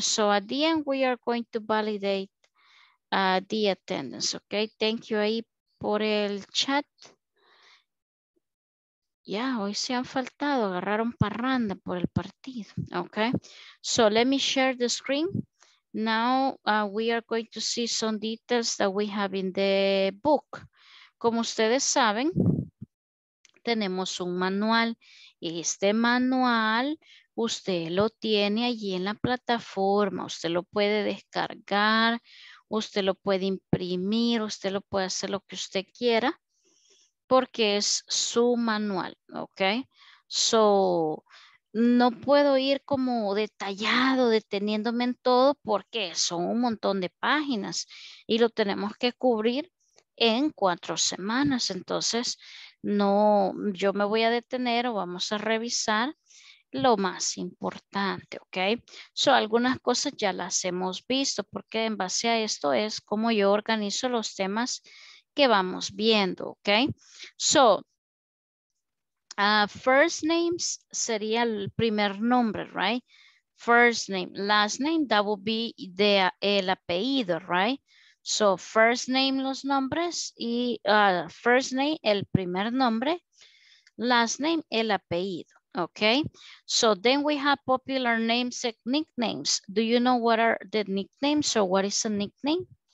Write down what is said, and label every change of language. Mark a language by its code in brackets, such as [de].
[en] So at the end, we are going to validate the attendance. Okay, thank you [es] ahí por el chat. Ya, yeah, hoy se han faltado, agarraron parranda por el partido, okay? [en] So let me share the screen. Now we are going to see some details that we have in the book. [es] Como ustedes saben, tenemos un manual. Este manual usted lo tiene allí en la plataforma. Usted lo puede descargar, usted lo puede imprimir, usted lo puede hacer lo que usted quiera. Porque es su manual, ¿ok? So, no puedo ir como detallado, deteniéndome en todo, porque son un montón de páginas y lo tenemos que cubrir en 4 semanas. Entonces, no, yo me voy a detener o vamos a revisar lo más importante, ¿ok? So, algunas cosas ya las hemos visto, porque en base a esto es como yo organizo los temas que vamos viendo, ok. So, first names sería el primer nombre, right? [en] First name, last name, that would be the, [es] el apellido, [en] right? [es] So, first name, los nombres, y first name, el primer nombre, last name, el apellido, ok. [en] So, then we have popular names and nicknames. Do you know what are the nicknames or what is a nickname?